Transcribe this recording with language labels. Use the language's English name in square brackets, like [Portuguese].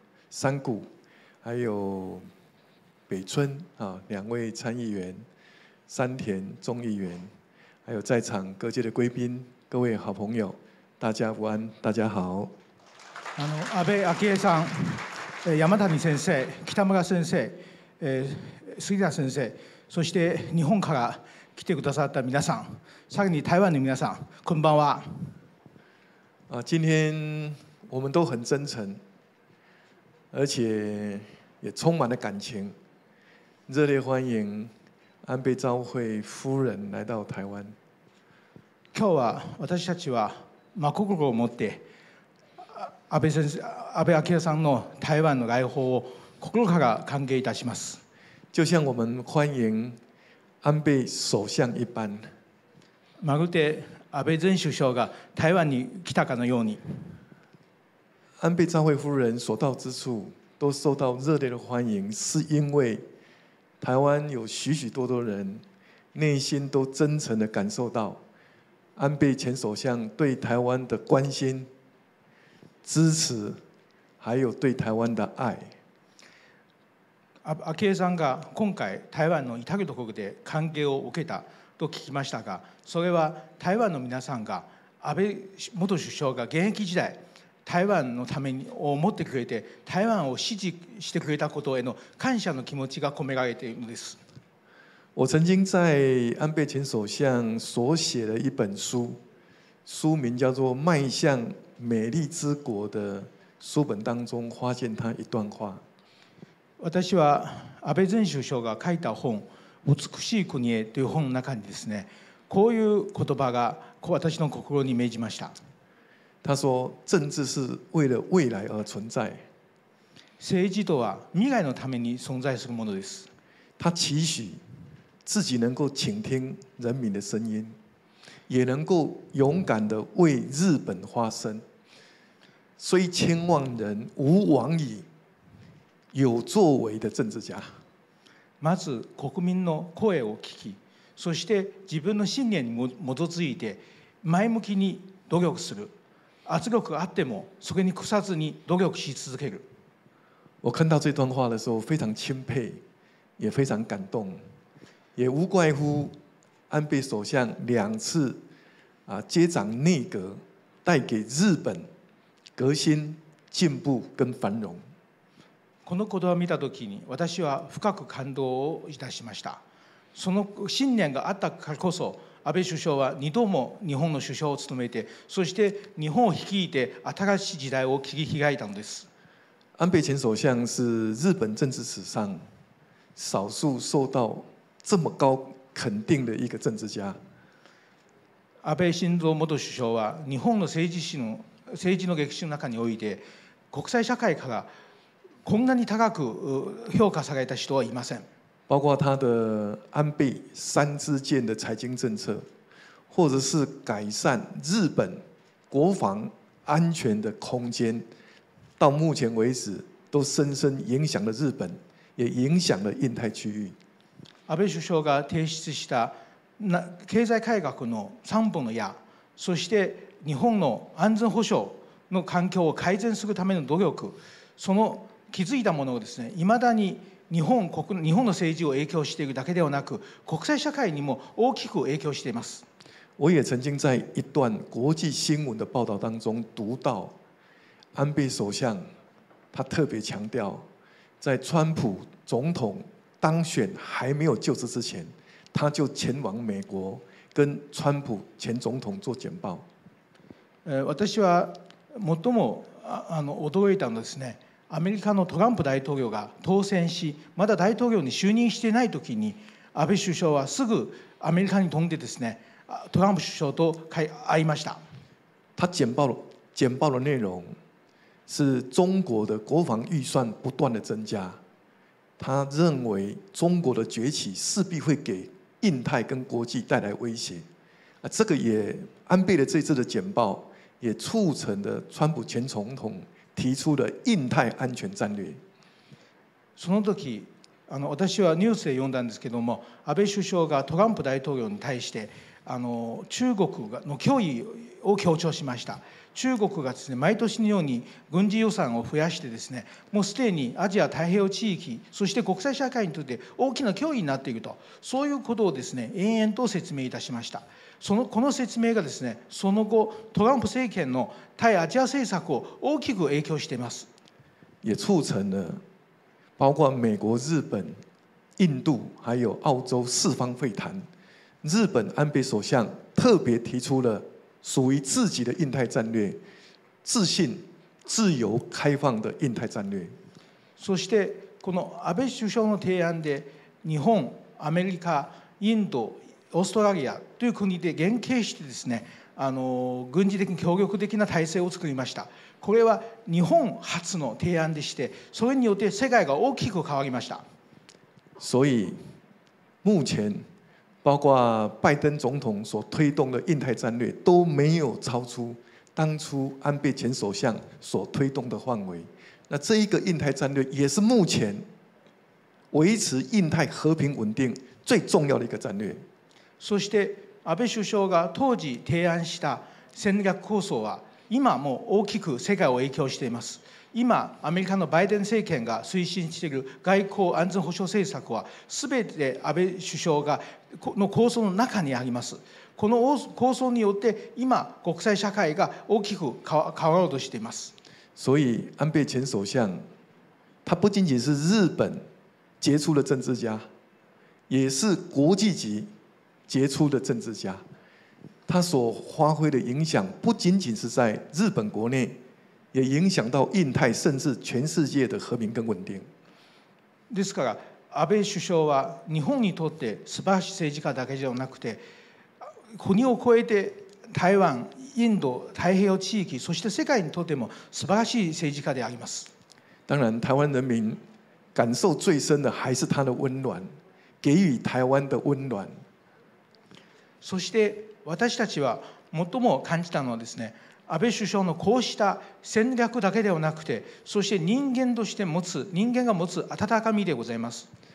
[Chinese] 山谷，还有北村两位参议员，山田众议员，还有在场各界的贵宾，各位好朋友，大家午安，大家好。 [Japanese] 安倍昭恵さん、山谷先生、北村先生、杉田先生、そして日本から来てくださった皆さん、さらに台湾の皆さん、こんばんは。 [Chinese] 今天我们都很真诚，而且也充满了感情，热烈欢迎安倍昭惠夫人来到台湾。 [Japanese] 今日は私たちは真心を持って。安倍昭恵さんの台湾の来訪を心から歓迎いたします。 [Chinese] 就像我们欢迎安倍首相一般。 [Japanese] まるで安倍前首相が台湾に来たかのように。 [Chinese] 安倍昭惠夫人所到之处都受到热烈的欢迎，是因为台湾有许许多多人内心都真诚的感受到安倍前首相对台湾的关心。支持，还有对台湾的爱。 [Japanese] 昭恵さんが今回台湾の至る所で歓迎を受けたと聞きましたが、それは台湾の皆さんが安倍元首相が現役時代台湾のためにを持ってくれて台湾を支持してくれたことへの感謝の気持ちが込められているんです。 [Chinese] 我曾经在安倍前首相所写的一本书，书名叫做《迈向》。美丽之国的书本当中发现他一段话。 [Japanese] 私は安倍前首相が書いた本「美しい国へ」という本の中にですね、こういう言葉が私の心に銘じました。 [Chinese] 他说：“政治是为了未来而存在。” [Japanese] 政治とは未来のために存在するものです。 [Chinese] 他期许自己能够倾听人民的声音。也能够勇敢地为日本发声，虽千万人无往矣，有作为的政治家。 [Japanese] まず国民の声を聞き、そして自分の信念に基づいて前向きに努力する。圧力があってもそれに屈さずに努力し続ける。 [Chinese] 我看到这段话的时候非常钦佩，也非常感动，也无怪乎。安倍首相两次接掌内阁，带给日本革新、进步跟繁荣。 [Japanese] この言葉を見たときに、私は深く感動をいたしました。その信念があったからこそ、安倍首相は二度も日本の首相を務めて、そして日本を率いて新しい時代を切り開いたのです。 [Chinese] 安倍前首相是日本政治史上少数受到这么高肯定的一个政治家。 [Japanese] 安倍晋三元首相は日本の政治の歴史の中において国際社会からこんなに高く評価された人はいません。 [Chinese] 包括他的安倍三支箭的财经政策，或者是改善日本国防安全的空间，到目前为止都深深影响了日本，也影响了印太区域。 [Japanese] 安倍首相が提出した経済改革の三本の矢、そして日本の安全保障の環境を改善するための努力、その気づいたものをですね、未だに日本国日本の政治を影響しているだけではなく、国際社会にも大きく影響しています。 [Chinese] 我也曾经在一段国际新闻的报道当中读到，安倍首相他特别强调，在川普总统当选还没有就职之前，他就前往美国跟川普前总统做简报。 [Japanese] 私は最も驚いたのですね。アメリカのトランプ大統領が当選し、まだ大統領に就任していないときに、安倍首相はすぐアメリカに飛んでですね、トランプ首相と会いました。 [Chinese] 他简报的内容是中国的国防预算不断的增加，他认为中国的崛起势必会给印太跟国际带来威胁。啊，这个也安倍的这次的简报。也促成了川普前总统提出的印太安全战略。 [Japanese] その時、私はニュースで読んだんですけども、安倍首相がトランプ大統領に対して、中国の脅威を強調しました。中国がですね、毎年のように軍事予算を増やしてですね、もうすでにアジア太平洋地域、そして国際社会にとって大きな脅威になっていると、そういうことをですね、延々と説明いたしました。そのこの説明がですね、その後トランプ政権の対アジア政策を大きく影響しています。 [Chinese] 也促成了包括美国、日本、印度还有澳洲四方会谈。日本安倍首相特别提出了属于自己的印太战略，自信、自由、开放的印太战略。 [Japanese] そしてこの安倍首相の提案で日本、アメリカ、インド、オーストラリアという国で連携してですね、軍事的に協力的な体制を作りました。これは日本初の提案でして、それによって世界が大きく変わりました。 [Chinese] 所以目前包括拜登总统所推动的印太战略都没有超出当初安倍前首相所推动的范围。那这一个印太战略也是目前维持印太和平稳定最重要的一个战略。 [Japanese] そして安倍首相が当時提案した戦略構想は今も大きく世界を影響しています。今アメリカのバイデン政権が推進している外交安全保障政策は全て安倍首相がの構想の中にあります。この構想によって今国際社会が大きく変わろうとしています。 [Chinese] 所以安倍前首相他不仅仅是日本杰出的政治家，也是国际级杰出的政治家，他所发挥的影响不仅仅是在日本国内，也影响到印太甚至全世界的和平跟稳定。 [Japanese] ですから、安倍首相は日本にとって素晴らしい政治家だけじゃなくて、国を越えて台湾、インド、太平洋地域、そして世界にとっても素晴らしい政治家であります。 [Chinese] 当然、台湾人民感受最深的还是他的温暖，给予台湾的温暖。 [Japanese] そして私たちは最も感じたのはですね、安倍首相のこうした戦略だけではなくて、そして人間として持つ人間が持つ温かみでございます。